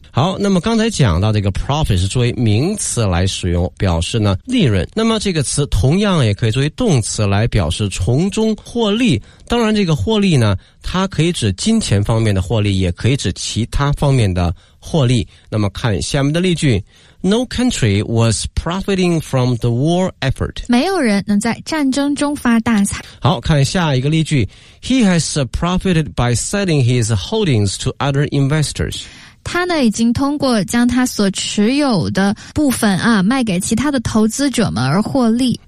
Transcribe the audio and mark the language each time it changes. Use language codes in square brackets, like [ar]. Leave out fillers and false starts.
[zh] 好，那么刚才讲到这个 profit 是作为名词来使用，表示呢利润。那么这个词同样也可以作为动词来表示从中获利。当然这个获利呢，它可以指金钱方面的获利，也可以指其他方面的获利。那么看下面的例句。 [en] No country was profiting from the war effort. [zh] 没有人能在战争中发大财。好，看下一个例句。 [en] He has profited by selling his holdings to other investors. [zh] 他呢已经通过将他所持有的部分啊卖给其他的投资者们而获利。